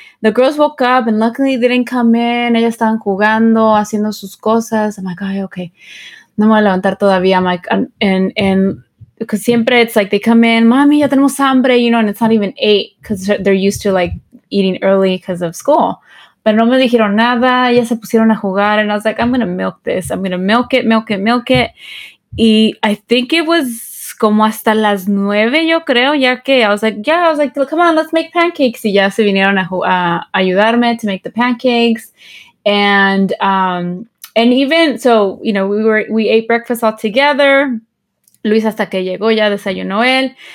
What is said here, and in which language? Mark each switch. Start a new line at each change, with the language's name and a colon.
English: The girls woke up, and luckily, they didn't come in.
Spanish: Ellas estaban jugando, haciendo sus cosas.
English: I'm like, ay, okay.
Spanish: No me voy a levantar todavía.
English: I'm like, and because siempre it's like they come in,
Spanish: mami, ya tenemos hambre,
English: you know, and it's not even 8 because they're used to like eating early because of school. But
Spanish: no me dijeron nada, ya se pusieron a jugar,
English: and I was like, I'm going to milk this. I'm going to milk it, milk it, milk it. Y I think it was
Spanish: como hasta las 9, yo creo, ya que
English: I was like, come on, let's make pancakes.
Spanish: Y ya se vinieron a ayudarme
English: to make the pancakes. And even so, you know, we ate breakfast all together.
Spanish: Luis hasta que llegó ya desayunó él.